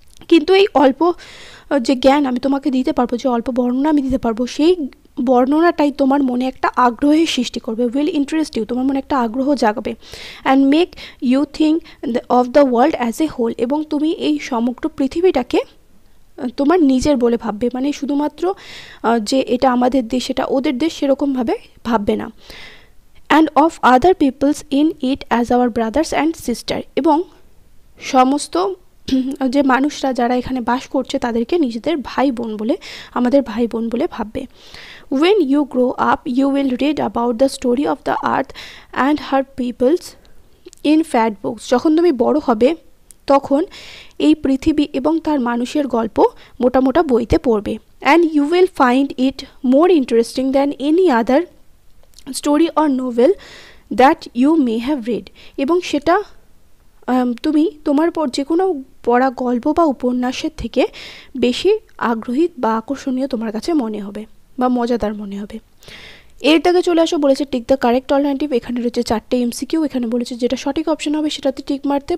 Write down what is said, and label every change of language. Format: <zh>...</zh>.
<bn>কিন্তু এই অল্প যে জ্ঞান আমি তোমাকে দিতে পারবো, যে অল্প বর্ণনা আমি দিতে পারবো, সেই বর্ণনাটাই তোমার মনে একটা আগ্রহের সৃষ্টি করবে,</bn> <en>will interest you,</en> <bn>তোমার মনে একটা আগ্রহ জাগাবে,</bn> <en>and make you think of the world as a whole,</en> <bn>এবং তুমি এই সমগ্র পৃথিবীটাকে তোমার নিজের বলে ভাববে, মানে শুধুমাত্র যে এটা আমাদের দেশ এটা ওদের দেশ সেরকমভাবে ভাববে না,</bn> <en>and of other peoples in it as our brothers and sister,</en> <bn>এবং সমস্ত যে মানুষরা যারা এখানে বাস করছে তাদেরকে নিজেদের ভাই বোন বলে, আমাদের ভাই বোন বলে ভাববে।</bn> <en>When you grow up, you will read about the story of the earth and her peoples in fat books.</en> <bn>যখন তুমি বড় হবে তখন এই পৃথিবী এবং তার মানুষের গল্প মোটা মোটা বইতে পড়বে।</bn> <en>And you will find it more interesting than any other story or novel that you may have read.</en> <bn>এবং সেটা তুমি তোমার পর যে কোনো পড়া গল্প বা উপন্যাসের থেকে বেশি আগ্রহী বা আকর্ষণীয় তোমার কাছে মনে হবে বা মজাদার মনে হবে। এর থেকে চলে আসো, বলেছে</bn> <en>Tick the correct alternative.</en> <bn>এখানে রয়েছে চারটে এমসিকিউ, এখানে বলেছে যেটা সঠিক অপশন হবে সেটাতে টিক মারতে।</bn>